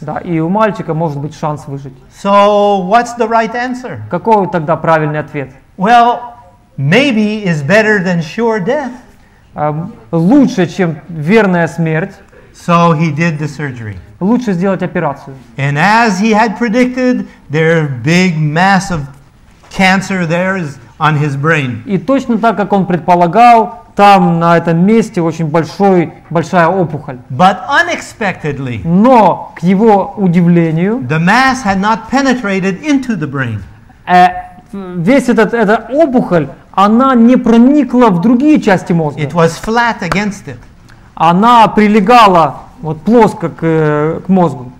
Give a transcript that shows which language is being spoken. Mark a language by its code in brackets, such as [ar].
[ru] Да, и у мальчика может быть шанс выжить. [en] So what's the right answer? [ru] Какой тогда правильный ответ? [en] Well, maybe is better than sure death. [ru] Лучше, чем верная смерть. [en] So he did the surgery. [ru] Лучше сделать операцию. [en] And as he had predicted, there big mass of cancer there is on his brain. [ru] И точно так, как он предполагал, там на этом месте очень большая опухоль. [en] But unexpectedly, [ru] но к его удивлению, [en] the mass had not penetrated into the brain. [ru] Весь эта опухоль, она не проникла в другие части мозга. [en] It was flat against it. [ru] Она прилегала вот плоско к мозгу.